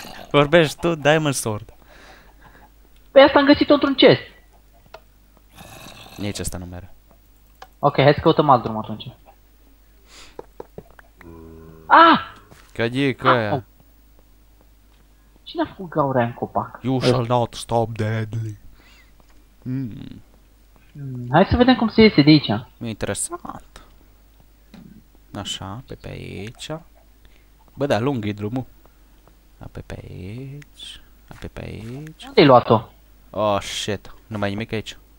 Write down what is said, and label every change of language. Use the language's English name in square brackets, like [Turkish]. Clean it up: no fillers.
[Romanian] Vorbești tu, Diamond Sword. Păi asta am găsit-o într-un chest. Nici asta nu merge. Ok, hai să căutăm alt drum atunci. Că-i aia? Cine a făcut gaurea în copac? [English] You shall not stop Deadly. [Romanian] Hai să vedem cum se iese de aici. Interesant. Așa, pe aici. Bă, da, lung e drumul. Pe aici. Unde-ai luat-o? [English] Oh, shit, [Romanian] nu mai nimic aici.